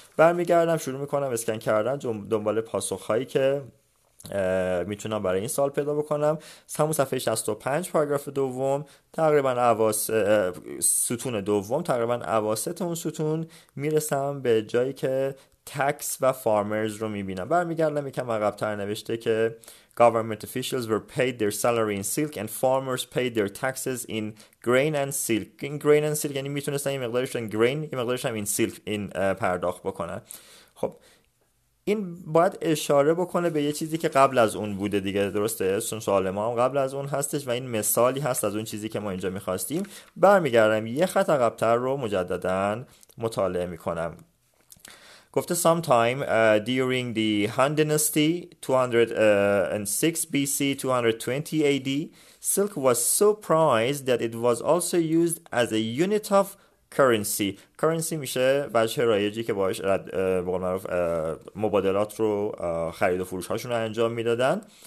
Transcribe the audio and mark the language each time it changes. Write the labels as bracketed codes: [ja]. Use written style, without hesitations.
[fa] برمیگردم شروع میکنم اسکن کردن دنبال پاسخهایی که میتونم برای این سال پیدا بکنم. همون صفحه 65 پاراگراف دوم تقریبا ستون دوم، تقریبا اواسط اون ستون میرسم به جایی که تکس و فارمرز رو میبینم. برمیگردم یکم عقب‌تر، نوشته که [en] government officials were paid their salary in silk and farmers paid their taxes in grain and silk. [fa] این grain and silk یعنی میتونستن یه مقدارشون grain، یه مقدارشون این silk این پرداخت بکنن. خب این باید اشاره بکنه به یه چیزی که قبل از اون بوده دیگه، درسته؟ چون سوال ما هم قبل از اون هستش و این مثالی هست از اون چیزی که ما اینجا میخواستیم. برمیگردم یه خط عقب‌تر رو مجدداً مطالعه میکنم. گفته [en] sometime during the Han dynasty 206 BC 220 AD silk was so prized that it was also used as a unit of currency. [fa] currency میشه وجه رایجی که باش رد بقول معروف مبادلات رو خرید و فروش هاشون رو انجام میدادن.